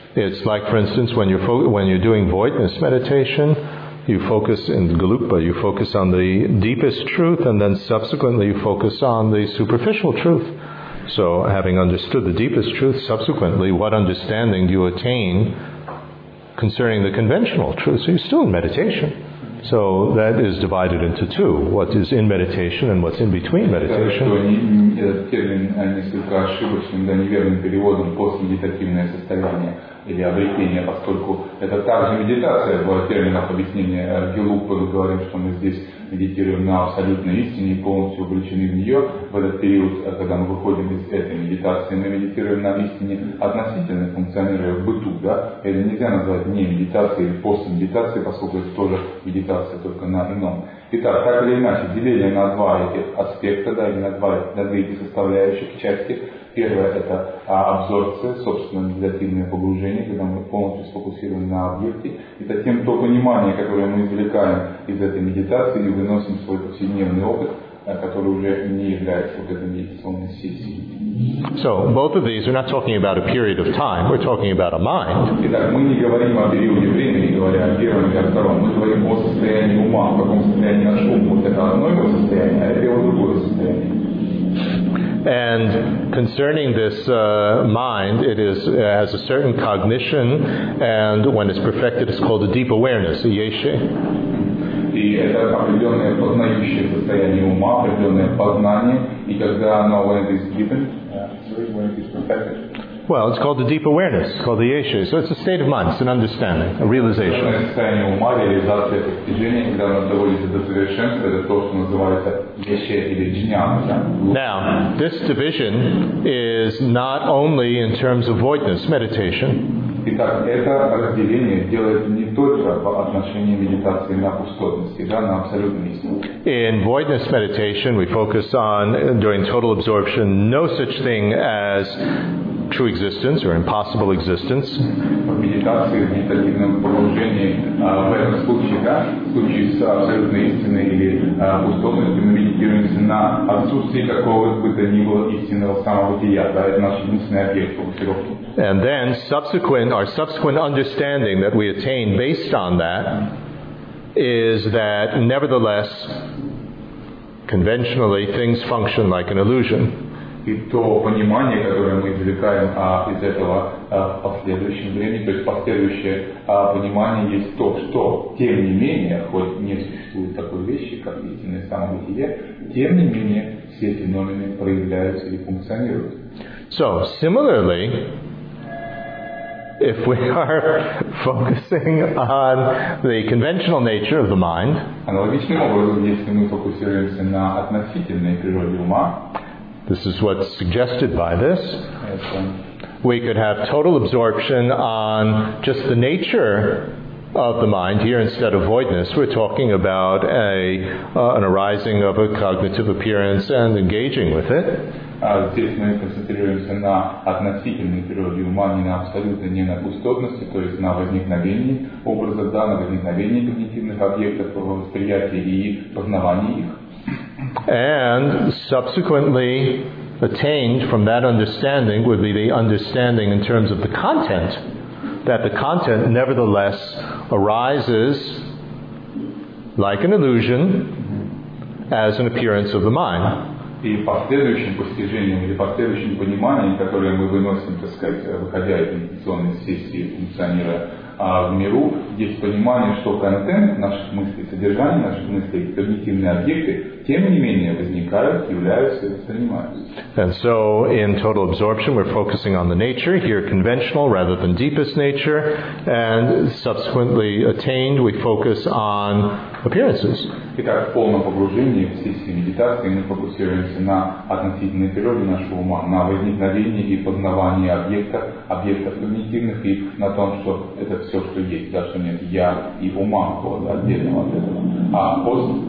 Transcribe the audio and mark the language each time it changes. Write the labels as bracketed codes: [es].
[en] It's like, for instance, when you're doing voidness meditation, you focus in galupa, you focus on the deepest truth, and then subsequently you focus on the superficial truth. So having understood the deepest truth, subsequently what understanding do you attain concerning the conventional truth? So you're still in meditation. So that is divided into two. What is in meditation and what's in between meditation. [ru] Этот термин несколько ошибочным, да, неверным переводом постмедитативное состояние или обретение, поскольку это также медитация, было термином объяснения Гелупа, мы говорим, что мы здесь медитируем на абсолютной истине и полностью увлечены в нее, в этот период, когда мы выходим из этой медитации, мы медитируем на истине, относительно функционируя в быту, да, это нельзя назвать не медитацией или постмедитацией, поскольку это тоже медитация, только на ином. Итак, так или иначе, деление на два эти аспекта, да, или на две эти составляющих части. Первое – это абсорбция, собственно, медитативное погружение, когда мы полностью сфокусированы на объекте. И затем то понимание, которое мы извлекаем из этой медитации и выносим в свой повседневный опыт, который уже не является вот этой медитационной сессией. [en] So, both of these, we're not talking about a period of time, we're talking about a mind. [ru] Итак, мы не говорим о периоде времени, говоря о первом или о втором. Мы говорим о состоянии ума, в каком состоянии наш ум. Вот это одно его состояние, а это его другое состояние. [en] And concerning this mind, it is has a certain cognition, and when it's perfected, it's called a deep awareness, a yeshe. [ru] И это определенное познающее состояние ума, определенное познание, и когда оно [en] when it is deepened, when it is perfected. Well, it's called the deep awareness, it's called the yeshe. So it's a state of mind, it's an understanding, a realization. [ru] Это состояние ума, реализация постижения, когда оно доводится до совершенства, это то, что называется yeshe или джняна. [en] Now, this division is not only in terms of voidness, meditation. [ru] Итак, это разделение делается не только по отношению медитации на пустотности, да, на абсолютную истину. [en] In voidness meditation, we focus on, during total absorption, no such thing as true existence or impossible existence. [ru] В медитации, в медитативном погружении, в этом случае, да, в случае с абсолютной истиной или пустотностью, мы медитируемся на отсутствие какого-либо то ни было истинного самобытия, да, это наш единственный объект фокусировки. [en] And then our subsequent understanding that we attain based on that is that nevertheless, conventionally, things function like an illusion. [ru] И то понимание, которое мы извлекаем из этого в последующем времени, то есть последующее понимание есть то, что тем не менее, хоть не существует такой вещи, как истинное самобытие, тем не менее все феномены проявляются и функционируют. [en] So, similarly, if we are focusing on the conventional nature of the mind, [ru] аналогичным образом, если мы фокусируемся на относительной природе ума, [en] this is what's suggested by this, we could have total absorption on just the nature of the mind. Here, instead of voidness, we're talking about an arising of a cognitive appearance and engaging with it. [ru] Здесь мы концентрируемся на относительной природе ума, не на абсолютной, не на пустотности, то есть на возникновении образов, да, на возникновении когнитивных объектов, восприятии и познавании их. [en] And subsequently attained from that understanding would be the understanding in terms of the content, that the content nevertheless arises like an illusion as an appearance of the mind. [ru] И последующим постижением или последующим пониманием, которое мы выносим, так сказать, выходя из медитационной сессии функционера в миру, есть понимание, что контент, наши мысли, содержание наших мыслей, когнитивные объекты, тем не менее, возникают, являются и воспринимаются. [en] And so, in total absorption, we're focusing on the nature, here conventional rather than deepest nature, and subsequently attained, we focus on appearances. [ru] Итак, в полном погружении в сессии медитации мы фокусируемся на относительной природе нашего ума, на возникновении и познавании объектов когнитивных, и на том, что это все, что есть, да, что нет я и ума, да, отдельного от этого.